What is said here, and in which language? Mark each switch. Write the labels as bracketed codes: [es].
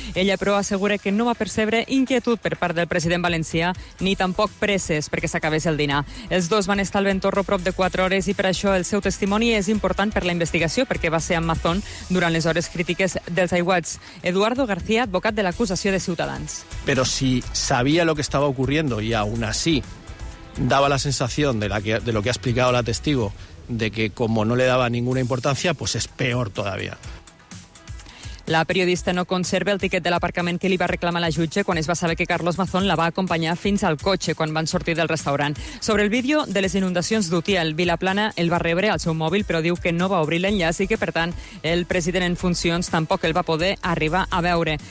[ca] Ella, però, assegura que no va percebre inquietud per part del president valencià ni tampoc presses perquè s'acabés el dinar. Els dos van estar al Ventorro prop de 4 hores i per això el seu testimoni és important per la investigació perquè va ser amb Mazón durant les hores crítiques dels aiguats. Eduardo García, advocat de l'acusació de Ciutadans. [es] Però si sabía lo que estaba ocurriendo y aún así daba la sensación de lo que ha explicado la testigo, de que como no le daba ninguna importancia, pues es peor todavía. [ca] La periodista no conserva el tiquet de l'aparcament que li va reclamar la jutge quan es va saber que Carlos Mazón la va acompanyar fins al cotxe quan van sortir del restaurant. Sobre el vídeo de les inundacions d'Utiel, Vilaplana el va rebre al seu mòbil, però diu que no va obrir l'enllaç i que, per tant, el president en funcions tampoc el va poder arribar a veure.